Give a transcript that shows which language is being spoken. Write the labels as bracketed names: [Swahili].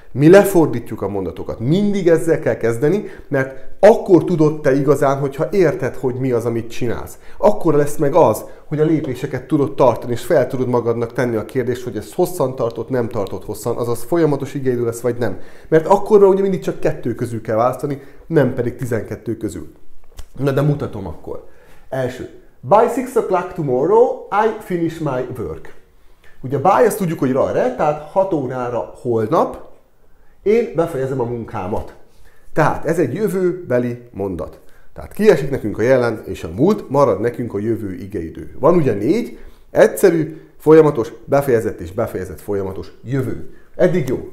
[Hungarian] Mi lefordítjuk a mondatokat. Mindig ezzel kell kezdeni, mert akkor tudod te igazán, hogyha érted, hogy mi az, amit csinálsz. Akkor lesz meg az, hogy a lépéseket tudod tartani, és fel tudod magadnak tenni a kérdést, hogy ez hosszan tartott, nem tartott hosszan, azaz folyamatos igeidő lesz, vagy nem. Mert akkor ugye mindig csak kettő közül kell választani, nem pedig 12 közül. Na de mutatom akkor. Első. [English] By 6 o'clock tomorrow, I finish my work. [Hungarian] Ugye by, azt tudjuk, hogy rajre, tehát 6 órára holnap én befejezem a munkámat. Tehát ez egy jövőbeli mondat. Tehát kiesik nekünk a jelen és a múlt, marad nekünk a jövő igeidő. Van ugye négy, egyszerű, folyamatos, befejezett és befejezett folyamatos jövő. Eddig jó.